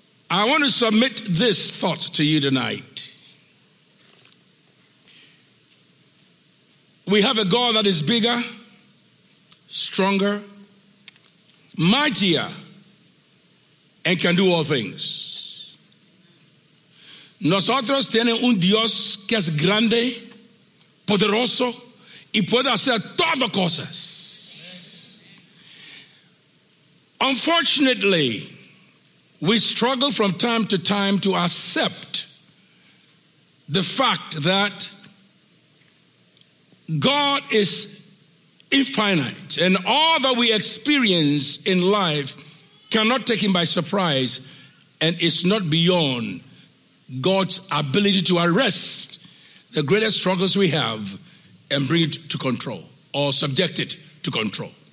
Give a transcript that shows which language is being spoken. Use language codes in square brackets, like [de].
[en] I want to submit this thought to you tonight. We have a God that is bigger, stronger, mightier, and can do all things. [es] Nosotros tenemos un Dios que es grande, poderoso, y puede hacer todas cosas. [en] Unfortunately, we struggle from time to time to accept the fact that God is infinite, and all that we experience in life cannot take him by surprise, and is not beyond God's ability to arrest the greatest struggles we have and bring it to control or subject it to control.